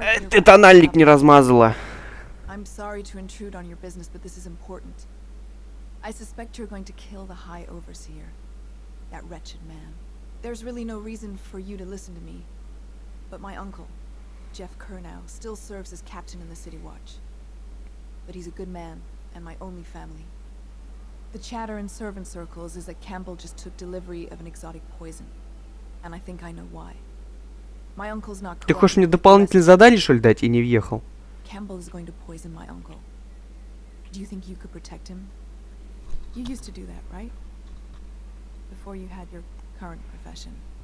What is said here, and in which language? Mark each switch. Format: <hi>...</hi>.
<ru>Ты тональник не размазала.</ru> <en>I'm sorry to intrude on your business, but this is important. I suspect you're going to kill the High Overseer, that wretched man. There's really no reason for you to listen to me. But my uncle, Jeff Kernow, still serves as captain in the City Watch. But he's a good man, and my only family. The chatter in servant circles is that Campbell just took delivery of an exotic poison. And I think I know why. My uncle's not...</en> <ru>Ты хочешь мне дополнительные задания, что ли, дать, и не въехал?</ru> <en>Campbell is going to poison my uncle. Do you think you could protect him? You used to do that, right? Before you had your current profession.</en>